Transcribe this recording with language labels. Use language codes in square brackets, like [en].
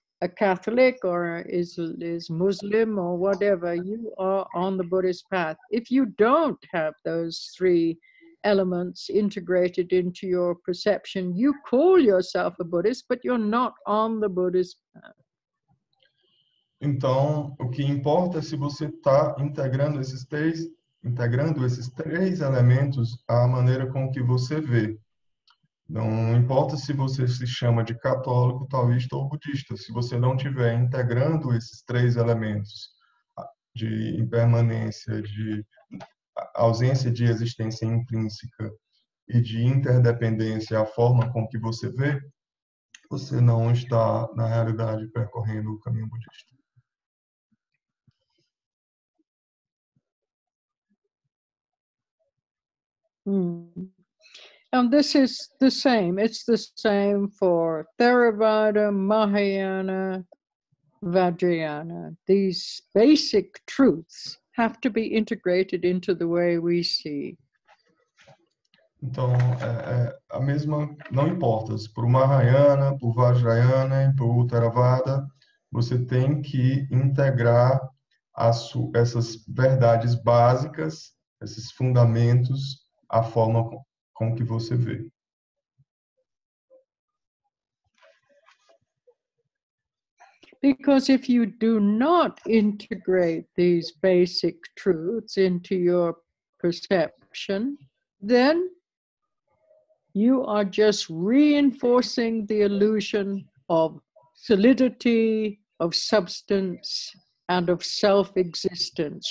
[en] a Catholic or is Muslim or whatever, you are on the Buddhist path. If you don't have those three elements integrated into your perception, you call yourself a Buddhist, but you're not on the Buddhist path. [pt] Então, o que importa é se você está integrando esses três elementos à maneira com que você vê. Não importa se você se chama de católico, taoísta ou budista. Se você não estiver integrando esses três elementos de impermanência, de ausência de existência intrínseca e de interdependência à forma com que você vê, você não está, na realidade, percorrendo o caminho budista. [en] And this is the same. It's the same for Theravada, Mahayana, Vajrayana. These basic truths have to be integrated into the way we see. [pt] Então, a mesma, não importa se por Mahayana, por Vajrayana, por Theravada, você tem que integrar essas verdades básicas, esses fundamentos, a forma com que você vê. [en] Because if you do not integrate these basic truths into your perception, then you are just reinforcing the illusion of solidity, of substance, and of self-existence.